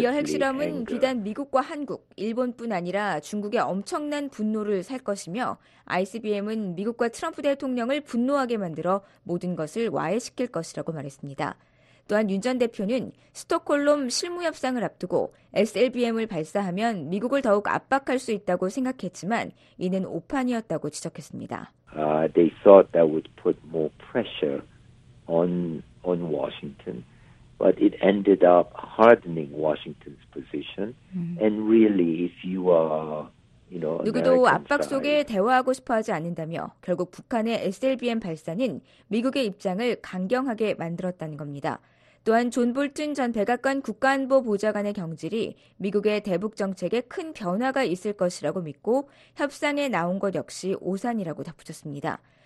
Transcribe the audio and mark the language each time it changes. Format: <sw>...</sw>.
<ko>이어 핵실험은 비단 미국과 한국, 일본뿐 아니라 중국의 엄청난 분노를 살 것이며, ICBM은 미국과 트럼프 대통령을 분노하게 만들어 모든 것을 와해시킬 것이라고 말했습니다. 또한 윤 전 대표는 스톡홀름 실무협상을 앞두고 SLBM을 발사하면 미국을 더욱 압박할 수 있다고 생각했지만 이는 오판이었다고 지적했습니다.</ko> <en>They thought that would put more pressure. On Washington, but it ended up hardening Washington's position. And really, if you are, you know,</en> <ko>누구도 압박 속에 대화하고 싶어하지 않는다며 결국 북한의 SLBM 발사는 미국의 입장을 강경하게 만들었다는 겁니다. 또한 존 볼튼 전 백악관 국가안보 보좌관의 경질이 미국의 대북 정책에 큰 변화가 있을 것이라고 믿고 협상에 나온 것 역시 오산이라고 덧붙였습니다.</ko>